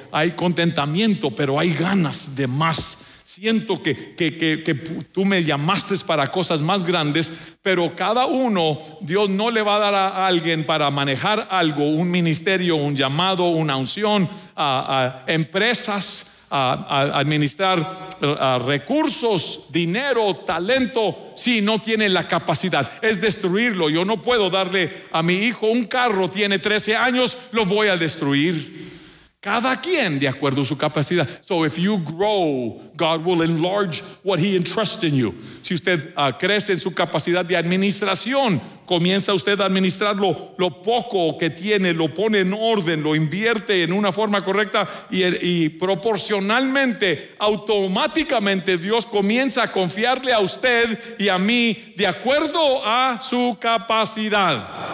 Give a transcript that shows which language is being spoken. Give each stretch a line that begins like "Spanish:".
Spanish: Hay contentamiento, pero hay ganas de más. Siento que tú me llamaste para cosas más grandes, pero cada uno, Dios no le va a dar a alguien para manejar algo, un ministerio, un llamado, una unción, a empresas, a administrar a recursos, dinero, talento, si no tiene la capacidad. Es destruirlo. Yo no puedo darle a mi hijo un carro, tiene 13 años, lo voy a destruir. Cada quien de acuerdo a su capacidad.
English: So if you grow, God will enlarge what he entrusts in you.
Spanish: Si usted crece en su capacidad de administración, comienza usted a administrar lo poco que tiene, lo pone en orden, lo invierte en una forma correcta, y proporcionalmente, automáticamente Dios comienza a confiarle a usted y a mí de acuerdo a su capacidad.